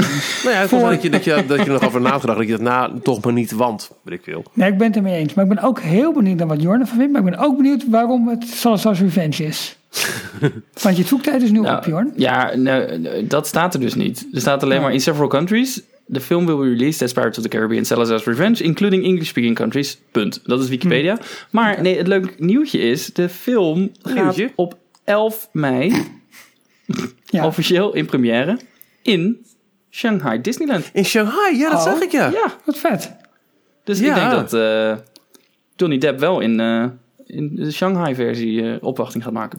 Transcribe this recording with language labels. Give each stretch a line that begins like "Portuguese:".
Dutch: Nou ja, ik vond dat je nog over nagedacht, dat je dat na toch maar niet want, wat ik wil. Nee, ik ben het ermee eens. Maar ik ben ook heel benieuwd naar wat Jorne van vindt. Maar ik ben ook benieuwd waarom het Salazar's Revenge is. Want je zoektijd is nu nou, op, Jorn. Ja, nou, dat staat er dus niet. Er staat alleen maar in
English: several countries. The film will be released as Pirates of the Caribbean Salazar's Revenge, including English-speaking countries.
Dutch: Punt. Dat is Wikipedia. Maar nee, het leuke nieuwtje is, de film gaat op 11 mei... Ja. Officieel in première in Shanghai Disneyland. In Shanghai, ja, dat zag ik ja. Ja, wat vet. Dus ja. Ik denk dat Johnny Depp wel in de Shanghai-versie opwachting gaat maken.